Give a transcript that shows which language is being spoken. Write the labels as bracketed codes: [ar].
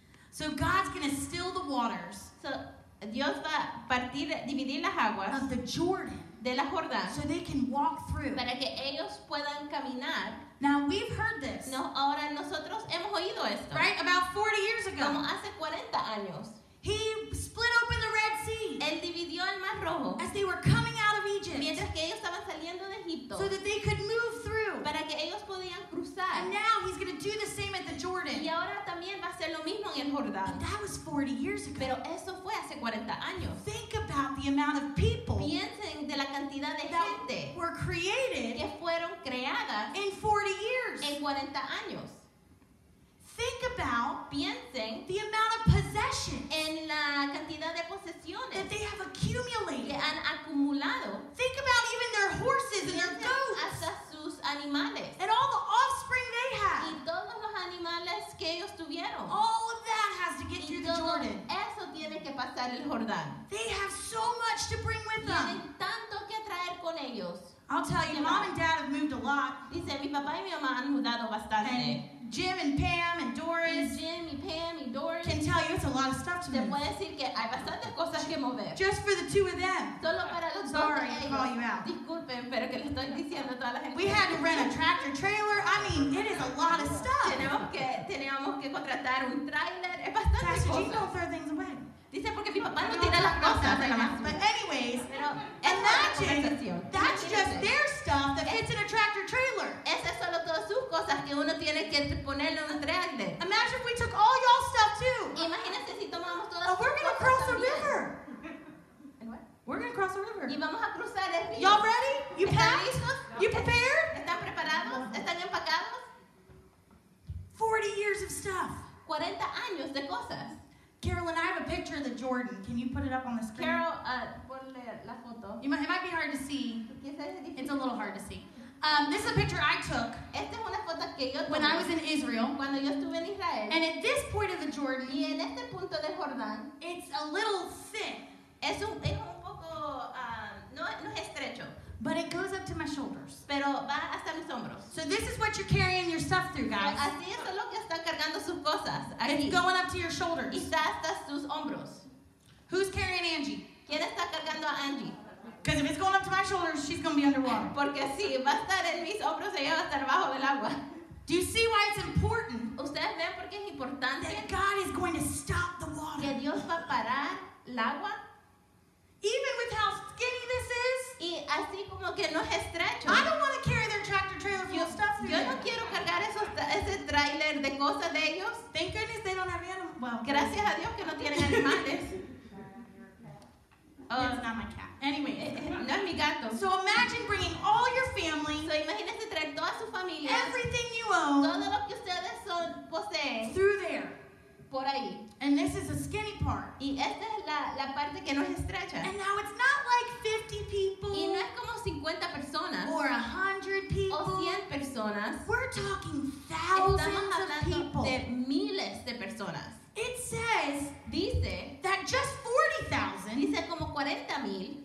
[en] So God's going to still the waters. [es] So Dios va a partir, dividir las aguas [en] of the Jordan, [es] de la Jordán, [en] so they can walk through. [es] Para que ellos puedan caminar. [en] Now we've heard this. [es] No, ahora nosotros hemos oído esto. [en] Right, about 40 years ago. [es] Como hace 40 años. [en] He split open the Red Sea. [es] Él dividió el Mar Rojo. [en] As they were coming out of Egypt. [es] Mientras que ellos estaban saliendo de Egipto. [en] So that they could move through. [es] Para que ellos podían cruzar. [en] And now he's going to do the same at the Jordan. [es] Y ahora también va a ser lo mismo en el Jordán. [en] But that was 40 years ago. [es] Pero eso fue hace 40 años. [en] Think about the amount of people. [es] Piensen de la cantidad de [en] that [es] gente. [en] Were created. [es] Que fueron creadas. [en] In 40 years. [es] En 40 años. [en] Think about [es] piensen [en] the amount of possession [es] en la cantidad de posesiones [en] that they have accumulated. [es] Que han acumulado. [en] Think about even their horses and their goats. [es] Hasta sus animales. [en] And all the offspring they have. [es] Y todos los animales que ellos tuvieron. [en] All of that has to get [es] y [en] through [es] todo [en] the Jordan. [es] Eso tiene que pasar el Jordán. [en] They have so much to bring with [es] tienen [en] them. [es] Tanto que traer con ellos. [en] I'll tell you, mom and dad have moved a lot. [es] Dice, mi papá y mi mamá han mudado bastante. [en] And Jim and Pam and Doris, [es] Jim y Pam y Doris [en] can tell you it's a lot of stuff to move. [es] Decir que hay bastantes cosas que mover. [en] Just for the two of them. [es] Solo para los [en] sorry [es] dos de [en] to call you out. [es] Disculpen, pero que les estoy diciendo toda la gente. [en] We had to rent a tractor trailer. I mean, it is a lot of stuff. [es] Teníamos que contratar un trailer. Es bastante [en] Pastor [es] cosa. [en] Pastor Gene don't throw things away. [es] Dice porque mi papá no tira las cosas. [en] But anyways, imagine that's just their stuff that fits in a tractor trailer. [es] Esas son todas sus cosas que uno tiene que ponerlo en un trailer. [en] Imagine if we took all y'all stuff too. [es] Imagínense si tomamos todas. [en] We're gonna cross a river. We're gonna cross a river. [es] Y vamos a cruzar el río. [en] Y'all ready? You packed? [es] ¿Listos? [en] You prepared? [es] ¿Están preparados? ¿Están empacados? [en] 40 years of stuff. [es] 40 años de cosas. [en] Carolyn, I have a picture of the Jordan. Can you put it up on the screen? [es] Carol, ponle la foto. [en] It might be hard to see. It's a little hard to see. This is a picture I took [es] esta es una foto que yo tomé [en] when I was in Israel. [es] Cuando yo estuve en Israel. [en] And at this point of the Jordan, [es] y en este punto de Jordán, [en] it's a little thin. [es] Es un poco, no es estrecho. [en] But it goes up to my shoulders. [es] Pero va hasta mis hombros. [en] So this is what you're carrying your stuff through, guys. [es] Así es lo que están cargando sus cosas. Aquí. [en] It's going up to your shoulders. [es] Y está hasta sus hombros. [en] Who's carrying Angie? [es] ¿Quién está cargando a Angie? [en] Because if it's going up to my shoulders, she's going to be underwater. [es] Porque sí, va a estar en mis hombros, ella va a estar bajo del agua. [en] Do you see why it's important? [es] ¿Ustedes ven por qué es importante? [en] That God is going to stop the water. [es] Que Dios va a parar el agua. [en] Even with how skinny this is, [es] y así como que no es estrecho. [en] I don't want to carry their tractor trailer full of stuff. [es] Yo no quiero cargar ese trailer de cosas de ellos. [en] Thank goodness they don't have animals. Well, [es] gracias a Dios que no tienen animales. [en] It's not my cat. Anyway, [es] no es mi gato. [en] So imagine bringing all your family. [es] So imagínense traer toda su familia. [en] Everything you own. [es] Todo lo que ustedes poseen. [en] Through there. [es] Por ahí. [en] And this is a skinny part. [es] Y esta es la parte que no es estrecha. [en] And now it's not like 50 people. [es] Y no es como 50 personas. [en] Or 100 people. [es] O 100 personas. [en] We're talking thousands [es] Estamos hablando [en] of people. [es] De miles de personas. [en] It says [es] dice [en] that just 40,000 [es] dice como 40,000